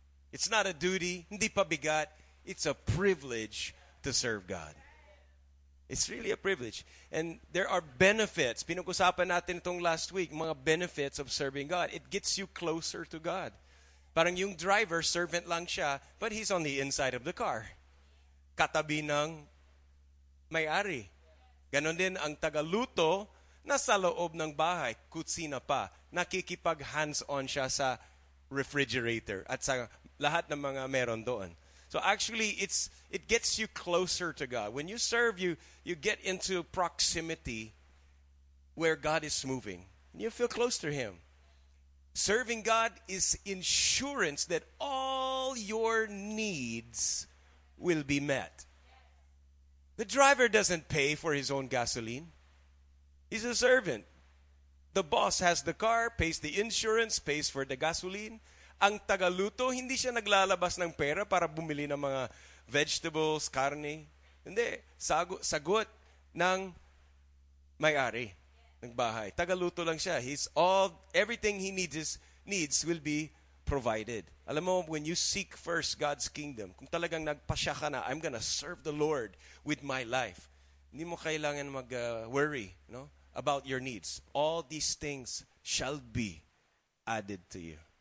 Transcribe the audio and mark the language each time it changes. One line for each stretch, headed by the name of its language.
English: It's not a duty,
Filipino: hindi pa bigat.
English: It's a privilege to serve God. It's really a privilege. And there are benefits.
Filipino: Pinag-usapan natin itong
English: last week, mga benefits of serving God. It gets you closer to God.
Filipino: Parang yung
English: driver, servant
Filipino: lang siya,
English: but he's on the inside of the car.
Filipino: Katabi ng may-ari. Ganon din ang tagaluto, nasa loob ng bahay, kutsina pa. Nakikipag hands-on siya sa refrigerator at sa lahat ng mga meron doon.
English: So actually, it gets you closer to God. When you serve, you get into proximity where God is moving. And you feel close to Him. Serving God is insurance that all your needs will be met. The driver doesn't pay for his own gasoline. He's a servant. The boss has the car, pays the insurance, pays for the gasoline.
Filipino: Ang tagaluto, hindi siya naglalabas ng pera para bumili ng mga vegetables, karne. Hindi, sagot ng may-ari ng bahay. Tagaluto lang siya.
English: Everything he needs will be provided.
Filipino: Alam mo,
English: when you seek first God's kingdom,
Filipino: kung talagang nagpasya ka na,
English: I'm gonna serve the Lord with my life.
Filipino: Hindi mo kailangan mag-worry
English: about your needs. All these things shall be added to you.